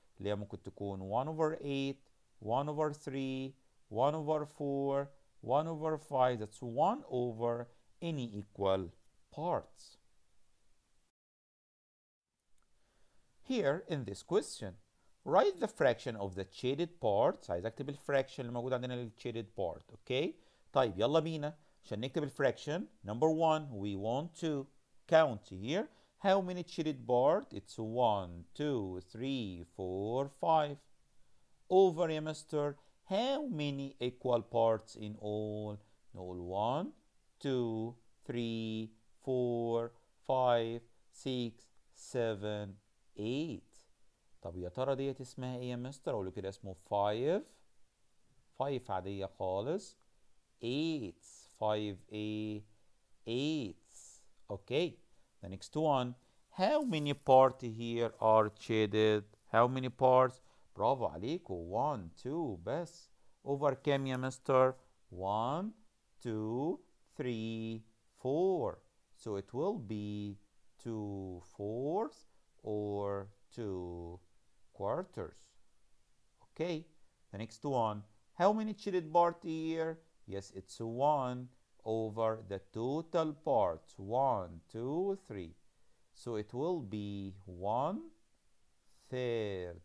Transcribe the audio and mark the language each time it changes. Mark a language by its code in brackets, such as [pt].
[ar] اللي هي ممكن تكون 1 over 8, 1 over 3, 1 over 4, 1 over 5. [en] That's 1 over any equal parts. Here in this question, write the fraction of the shaded parts. [ar] عايز اكتب الفراكشن اللي موجود عندنا للشيدد بارت. Okay. طيب يلا بينا عشان نكتب الفراكشن. [en] Number 1, we want to count here. How many shaded parts? It's 1, 2, 3, 4, 5. Over a master, how many equal parts in all? [ar] نقول 1 2 3 4 5 6 7 8. طب يا ترى ديت اسمها ايه يا مستر؟ اقول له كده اسمه 5 عادية خالص. [en] 8 5 8. Okay. The next one. How many parts here are shaded? How many parts? [ar] برافو عليكو. [en] 1 2 بس. [ar] Over كام يا مستر؟ 1 2 3 4. [en] So it will be 2 fourths or 2 quarters. Okay. The next one. How many shaded parts here? Yes, it's 1 over the total parts. 1 2 3. So it will be 1 third.